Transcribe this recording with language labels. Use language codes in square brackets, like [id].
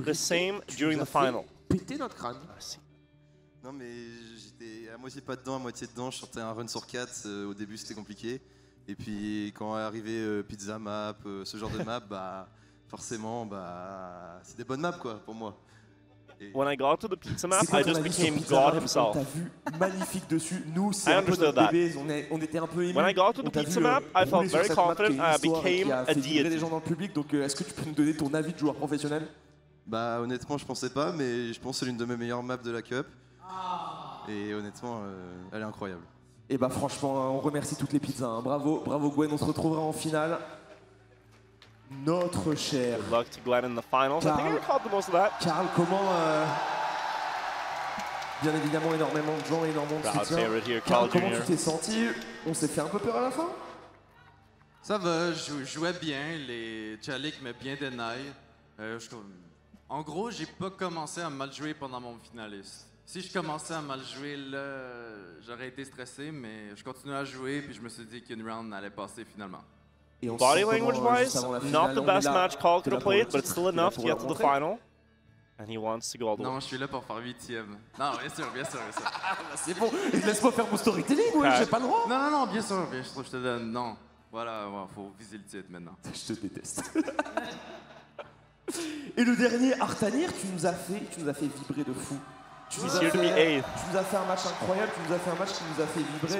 [en] the same during the final. [fr] Péter notre crâne. Merci. Non, mais... À moitié pas dedans, à moitié dedans, je sortais un run sur 4, au début c'était compliqué. Et puis quand est arrivé Pizza Map, ce genre de map, bah, forcément, bah, c'est des bonnes maps quoi, pour moi. [en] Et when I got to the pizza map, I just became God himself. [fr] T'as vu magnifique dessus, nous c'est un peu notre bébé, on était un peu émus. [en] When I got to the pizza map, I felt very confident, I became a deity. [fr] Il y a des gens dans le public, donc est-ce que tu peux nous donner ton avis de joueur professionnel? Bah honnêtement je pensais pas, mais je pense que c'est l'une de mes meilleures maps de la Cup. Et honnêtement, elle est incroyable. Et bah franchement, on remercie toutes les pizzas. Hein. Bravo, bravo Gwen, on se retrouvera en finale. Notre cher. [en] Good luck to Gwen in the finals. Carl, I think I recalled the most of that. [fr] Carl, comment bien évidemment, énormément de gens, énormément de pizzas. Carl, comment tu t'es senti? On s'est fait un peu peur à la fin? Ça va, je jouais bien, les Jalik m'a bien deny. En gros, j'ai pas commencé à mal jouer pendant mon finaliste. Si je commençais à mal jouer là, j'aurais été stressé, mais je continuais à jouer puis je me suis dit qu'une round allait passer finalement. [en] Body language wise, not the best match call could have played, but it's still enough to get to the final. And he wants to go all the way. [fr] Non, je suis là pour faire 8e. Non, bien sûr, bien sûr, bien sûr. C'est bon, laisse-moi faire mon storytelling, ouais, j'ai pas le droit. Non, non, non, bien sûr, je te donne, non. Voilà, ouais, faut viser le titre maintenant. Je te déteste. Et le dernier, Artanir, tu nous as fait vibrer de fou. Tu nous as fait un match incroyable, tu nous as fait un match qui nous a fait vibrer.